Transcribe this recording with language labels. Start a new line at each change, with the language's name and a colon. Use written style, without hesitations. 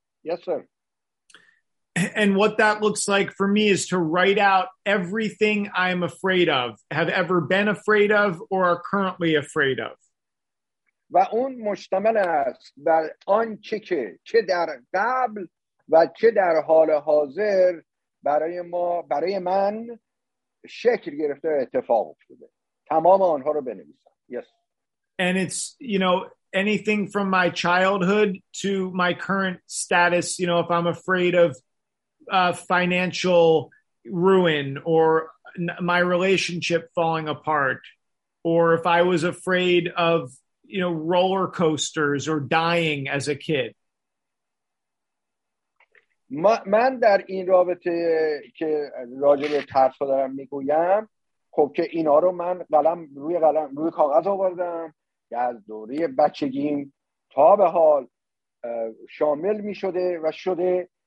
English: Yes, sir. And what that looks like for me is to write out everything I'm afraid of, have ever been afraid of, or are currently afraid of.
Persian: و اون مشتمل است بر آن چه که چه در قبل و چه در حال حاضر برای ما، برای من شکل گرفته و اتفاق افتاده. تمام آنها رو بنویسم.
English: Yes. And it's, you know, anything from my childhood to my current status, you know, if I'm afraid of financial ruin or my relationship falling apart, or if I was afraid of, you know, roller coasters or dying as a kid.
Persian: من در این رابطه که راجع به ترس ها دارم میگویم، خب که اینا رو من روی کاغذ آوردم که از دوره بچگیم تا به حال شامل میشده و شده.